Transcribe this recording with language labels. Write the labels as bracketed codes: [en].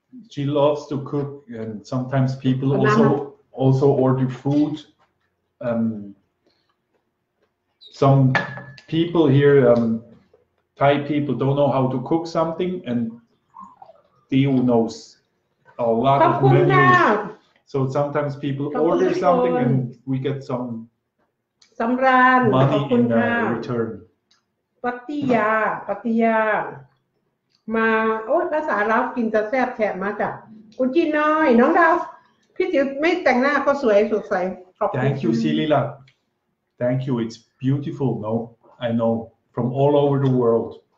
[en] she loves to cook and sometimes people also order foodsome people here, Thai people don't know how to cook something, and Diu knows a lot of menus. So sometimes people order something, and we get some money in return. Pattaya, Pattaya, ma. [th] Oh, ภาษาลาวกินจะแซ่บแฉะมากจ้ะคุณกินหน่อยน้องดาวพี่จิ๋วไม่แต่งหน้าก็สวยสดใส [en] Thank you, Silila. Thank you. It's beautiful. No, I know from all over the world.